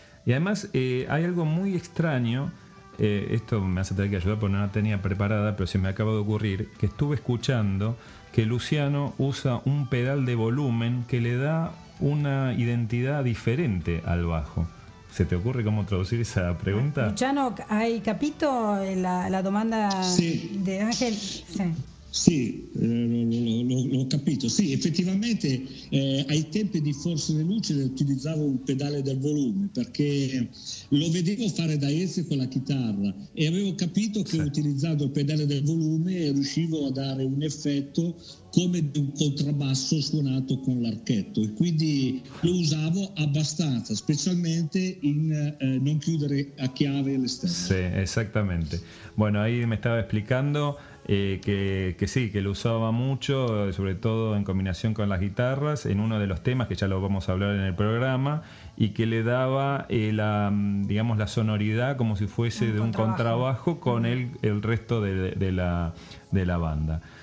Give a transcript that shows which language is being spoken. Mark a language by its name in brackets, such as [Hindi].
[Spanish] Y además hay algo muy extraño. Esto me hace tener que ayudar porque no la tenía preparada, pero se me acaba de ocurrir que estuve escuchando que Luciano usa un pedal de volumen que le da una identidad diferente al bajo. ¿Se te ocurre cómo traducir esa pregunta? [Italian] Luciano, ¿hay capito en la demanda, sí, de Ángel? Sí. Sì, l'ho capito. Sì, effettivamente ai tempi di Forse le Luci utilizzavo un pedale del volume perché lo vedevo fare da Ezio con la chitarra e avevo capito che, sì, utilizzando il pedale del volume riuscivo a dare un effetto come di un contrabbasso suonato con l'archetto, e quindi lo usavo abbastanza, specialmente in non chiudere a chiave l'esterno. Sì, esattamente. [Spanish] Bueno, ahí me estaba explicando que sí, que lo usaba mucho, sobre todo en combinación con las guitarras, en uno de los temas que ya lo vamos a hablar en el programa, y que le daba la sonoridad como si fuese de un contrabajo con el resto de la banda.